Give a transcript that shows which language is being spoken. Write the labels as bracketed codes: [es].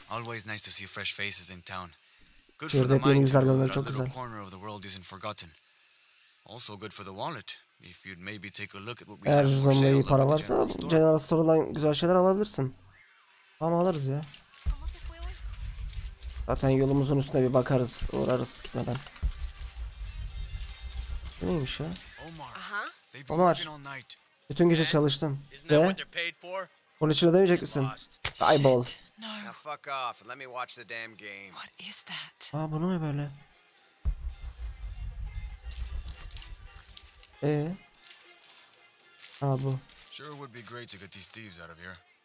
[en] Always nice to see fresh faces in town. Good for the mind. Our little corner of the world isn't forgotten. Also good for the wallet. If you'd maybe take a look at what we have for sale. [tr] Eğer para varsa general store'dan güzel şeyler alabilirsin. Tamam alırız ya. Zaten yolumuzun üstüne bir bakarız, uğrarız gitmeden. Neymiş ya? Omar. Omar. Bütün gece çalıştın. Ve? Bunun için ödemeyecek misin? [en] Eyeball. No. Now fuck off and let me watch the damn game. What is that? [tr] Aa bu ne böyle? Aa bu. [en] Sure would be great to get these thieves out of here.